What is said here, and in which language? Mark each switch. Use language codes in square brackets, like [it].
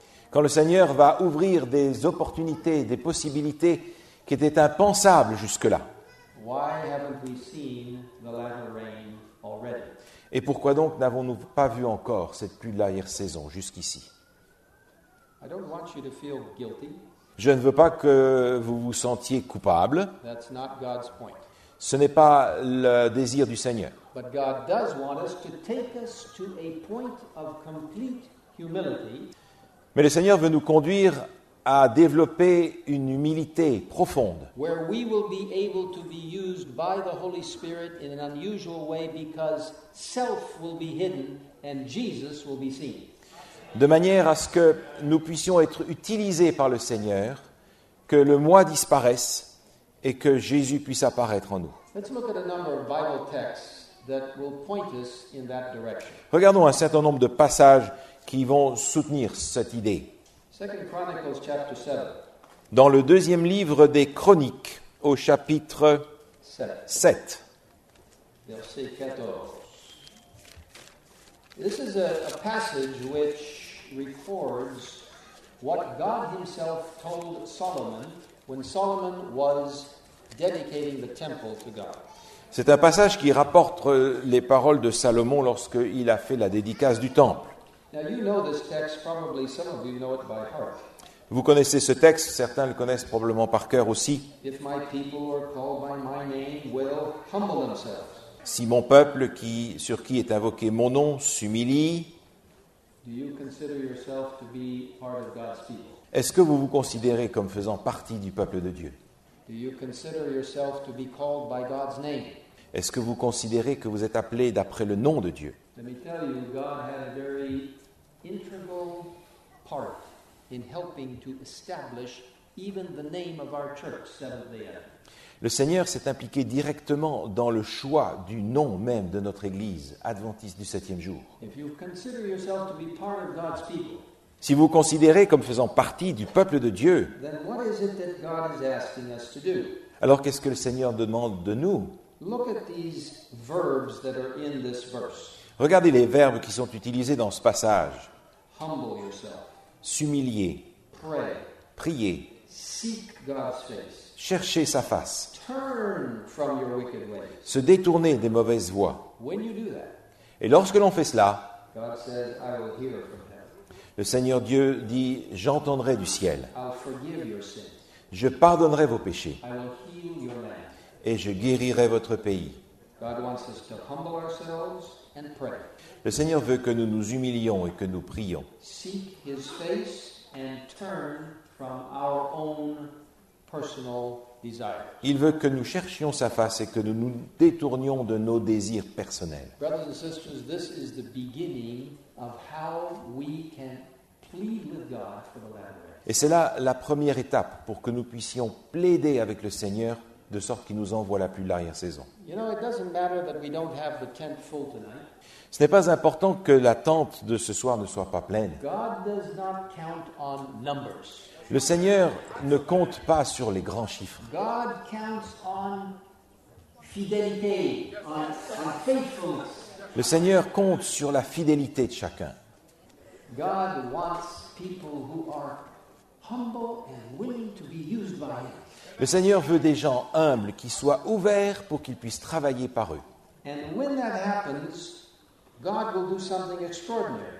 [fr] Quand le Seigneur va ouvrir des opportunités, des possibilités qui était impensable jusque-là. [en] Why haven't we seen the latter rain already? [fr] Et pourquoi donc n'avons-nous pas vu encore cette pluie de l'arrière-saison jusqu'ici? [en] I don't want you to feel guilty. [fr] Je ne veux pas que vous vous sentiez coupable. [en] That's not God's point. [fr] Ce n'est pas le désir du Seigneur. [en] But God does want us to take us to a point of complete humility. [fr] Mais le Seigneur veut nous conduire à développer une humilité profonde. [en] Where we will be able to be used by the Holy Spirit in an unusual way because self will be hidden and Jesus will be seen. [fr] De manière à ce que nous puissions être utilisés par le Seigneur, que le moi disparaisse et que Jésus puisse apparaître en nous. [en] Let's look at a number of Bible texts that will point us in that direction. [fr] Regardons un certain nombre de passages qui vont soutenir cette idée. [en] Second Chronicles, chapter 7. [fr] Dans le deuxième livre des Chroniques, au chapitre 7. Verset 14. [en] This is a passage which records what God himself told Solomon when Solomon was dedicating the temple to God. [fr] C'est un passage qui rapporte les paroles de Salomon lorsqu'il a fait la dédicace du temple. [en] Now you know this text, probably some of you know it by heart. [fr] Vous connaissez ce texte, certains le connaissent probablement par cœur aussi. [en] If my people are called by my name, will humble themselves. [fr] Si mon peuple, sur qui est invoqué mon nom, s'humilie. [en] Do you consider yourself to be part of God's people? [fr] Est-ce que vous vous considérez comme faisant partie du peuple de Dieu? [en] Do you consider yourself to be called by God's name? [fr] Est-ce que vous considérez que vous êtes appelé d'après le nom de Dieu? [en] Let me tell you, God had a very integral part in helping to establish even the name of our church, Seventh-day Adventist. [fr] Le Seigneur s'est impliqué directement dans le choix du nom même de notre Église, Adventiste du Septième Jour. [en] If you consider yourself to be part of God's people, [fr] si vous considérez comme faisant partie du peuple de Dieu, [en] then what is it that God is asking us to do? [fr] Alors qu'est-ce que le Seigneur demande de nous? [en] Look at these verbs that are in this verse. [fr] Regardez les verbes qui sont utilisés dans ce passage. [en] Humble yourself. [fr] S'humilier. [en] Pray. [fr] Prier. [en] Seek God's face. [fr] Chercher sa face. [en] Turn from your wicked ways. [fr] Se détourner des mauvaises voies. [en] When you do that, [fr] et lorsque l'on fait cela, [en] God says, I will hear from heaven. [fr] Le Seigneur Dieu dit, j'entendrai du ciel. [en] I'll forgive your sins. [fr] Je pardonnerai vos péchés. [en] I will heal your land. [fr] Et je guérirai votre pays. [en] God wants us to humble ourselves. And pray. [fr] Le Seigneur veut que nous nous humilions et que nous prions. [en] Seek his face and turn from our own personal desires. [fr] Il veut que nous cherchions sa face et que nous nous détournions de nos désirs personnels. [en] Brothers and sisters, this is the beginning of how we can plead with God for the latter rain. [fr] Et c'est là la première étape pour que nous puissions plaider avec le Seigneur de sorte qu'il nous envoie la pluie de l'arrière-saison. [en] You know, it doesn't matter that we don't have the tent full tonight. [fr] Ce n'est pas important que la tente de ce soir ne soit pas pleine. [en] God does not count on numbers. [fr] Le Seigneur ne compte pas sur les grands chiffres. [en] God counts on fidélité, on faithfulness. [fr] Le Seigneur compte sur la fidélité de chacun. [en] God wants people who are humble and willing to be used by him. [fr] Le Seigneur veut des gens humbles qui soient ouverts pour qu'ils puissent travailler par eux. [en] And when that happens, God will do something extraordinary.